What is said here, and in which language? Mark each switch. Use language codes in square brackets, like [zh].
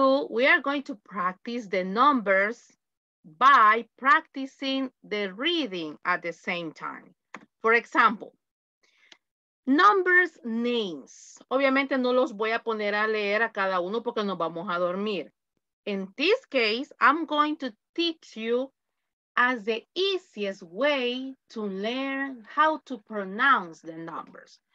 [en] We are going to practice the numbers by practicing the reading at the same time. For example, numbers names. [es] Obviamente no los voy a poner a leer a cada uno porque nos vamos a dormir. [en] In this case, I'm going to teach you as the easiest way to learn how to pronounce the numbers.